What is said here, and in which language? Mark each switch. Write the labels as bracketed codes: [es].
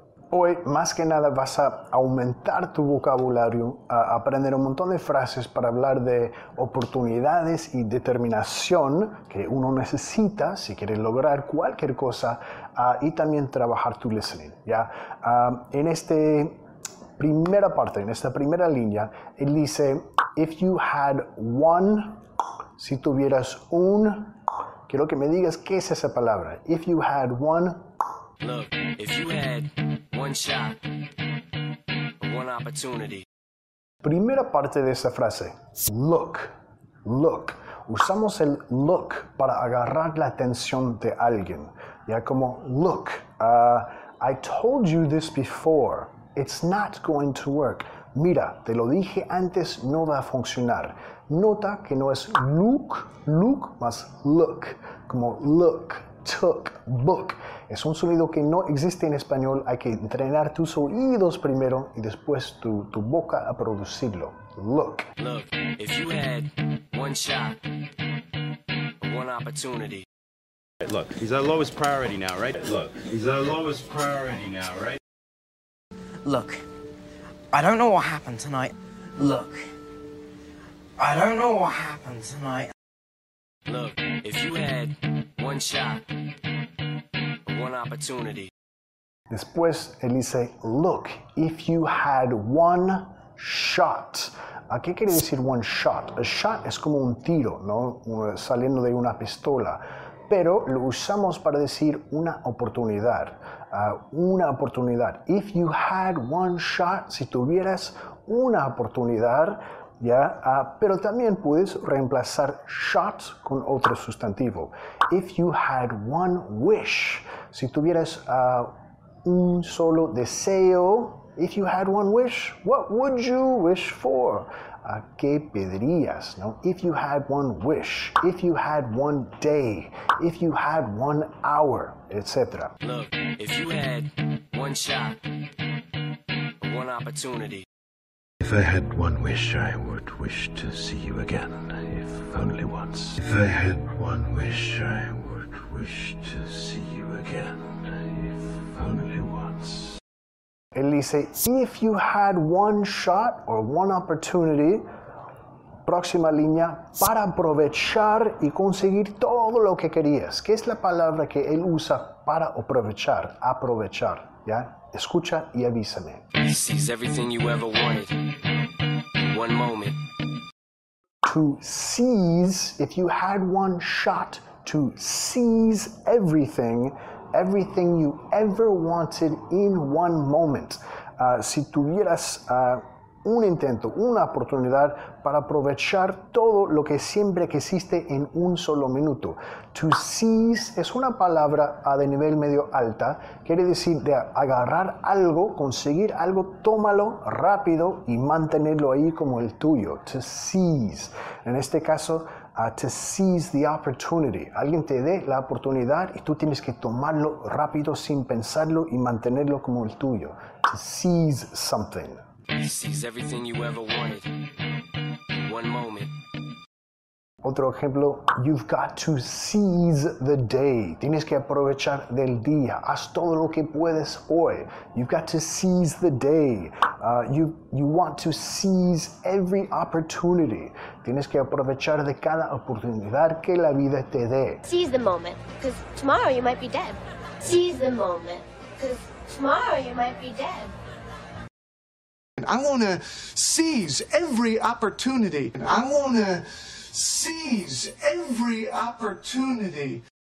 [es] Hoy, más que nada, vas a aumentar tu vocabulario, a aprender un montón de frases para hablar de oportunidades y determinación que uno necesita si quiere lograr cualquier cosa, y también trabajar tu listening, ¿ya? En esta primera parte, en esta primera línea, él dice, [en] if you had one, [es] si tuvieras un, quiero que me digas qué es esa palabra, if you had one. [en] Look, if you had one shot, one opportunity. [es] Primera parte de esa frase, look, look. Usamos el look para agarrar la atención de alguien. [en] Ya como, look, I told you this before, it's not going to work. [es] Mira, te lo dije antes, no va a funcionar. Nota que no es look, look, más look, como look. Took, book. Es un sonido que no existe en español. Hay que entrenar tus oídos primero y después tu boca a producirlo. [en] Look. Look, if you had one shot, one opportunity. Look, he's our lowest priority now, right? Look, he's our lowest priority now, right? Look, I don't know what happened tonight. Look, I don't know what happened tonight. Look, if you had one shot, one opportunity. [es] Después, él dice, [en] look, if you had one shot. [es] ¿A qué quiere decir one shot? A shot es como un tiro, ¿no? Saliendo de una pistola. Pero lo usamos para decir una oportunidad. Una oportunidad. [en] If you had one shot, [es] si tuvieras una oportunidad, ¿ya? Pero también puedes reemplazar shot con otro sustantivo. [en] If you had one wish, [es] si tuvieras un solo deseo, [en] if you had one wish, what would you wish for? [es] ¿Qué pedirías? ¿No? [en] If you had one wish, if you had one day, if you had one hour, etc. Look, if you had one shot, one opportunity. If I had one wish, I would wish to see you again, if only once. If I had one wish, I would wish to see you again, if only once. [es] Él dice, [en] if you had one shot or one opportunity, [es] próxima línea para aprovechar y conseguir todo lo que querías. ¿Qué es la palabra que él usa para aprovechar? Aprovechar, ¿ya? Escucha y avísame. [en] Sees everything you ever wanted. One moment. To seize, if you had one shot, to seize everything, everything you ever wanted in one moment. [es] Si tuvieras un intento, una oportunidad para aprovechar todo lo que siempre quisiste en un solo minuto. To seize es una palabra de nivel medio alta, quiere decir de agarrar algo, conseguir algo, tómalo rápido y mantenerlo ahí como el tuyo. [en] To seize, [es] en este caso, [en] to seize the opportunity. [es] Alguien te dé la oportunidad y tú tienes que tomarlo rápido sin pensarlo y mantenerlo como el tuyo. [en] To seize something. Sees everything you ever wanted. One moment. [es] Otro ejemplo, [en] you've got to seize the day. [es] Tienes que aprovechar del día. Haz todo lo que puedes hoy. [en] You've got to seize the day. You want to seize every opportunity. [es] Tienes que aprovechar de cada oportunidad que la vida te dé. [en] Seize the moment, because tomorrow you might be dead. Seize the moment, because tomorrow you might be dead. I want to seize every opportunity. I want to seize every opportunity.